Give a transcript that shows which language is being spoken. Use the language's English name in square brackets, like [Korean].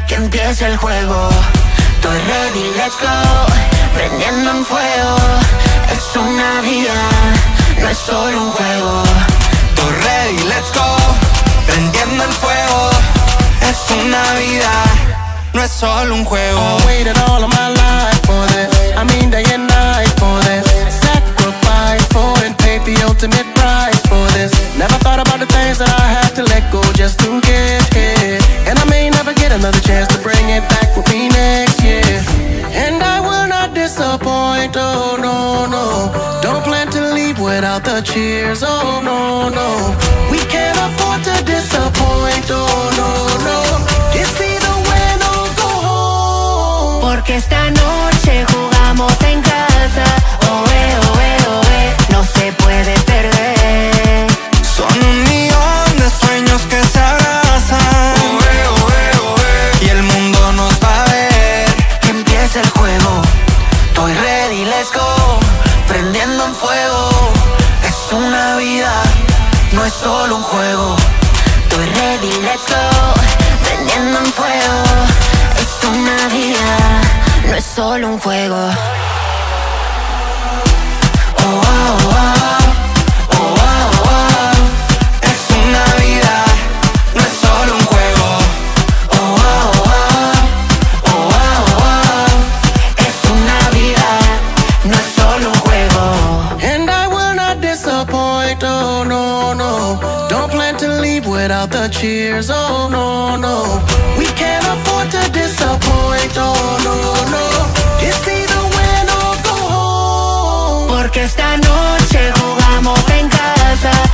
[Spanish] Que empiece el juego. Estoy [English] ready, let's go. [Spanish] Prendiendo en fuego. Es una vida, no es solo un juego. Estoy [English] ready, let's go. [Spanish] Prendiendo en fuego. Es una vida, no es solo un juego. [English] I waited all of my life for this. I mean day and night for this. Sacrifice for and paid the ultimate price for this. Never thought about the things that I had to let go just to get here. And I may never get another chance to bring it back with me next year. And I will not disappoint, oh no, no. Don't plan to leave without the cheers, oh no, no. We can't afford to disappoint, oh no, no. It's either win or go home. [Spanish] Porque esta noche jugamos en casa. Oh, eh, oh, eh, oh, eh. No se puede perder. Son un millón de sueños que se abrazan. Oh, eh, oh, eh, oh, eh. Y el mundo nos va a ver. Que empiece el juego. Estoy [English] ready, let's go. [Spanish] Prendiendo en fuego. Es una vida, no es solo un juego. Estoy [English] ready, let's go. [Spanish] Prendiendo en fuego. Es una vida, no es solo un juego. Oh, oh, oh, oh, oh, oh, oh, oh. Es una vida, no es solo un juego. Oh, oh, oh, oh, oh, oh, oh, oh. Es una vida, no es solo un juego. [English] And I will not disappoint, oh no, no. Don't plan to leave without the cheers, oh no, no. We can't afford to disappoint, oh no, no. It's either win or go home. [Spanish] Porque esta noche jugamos en casa.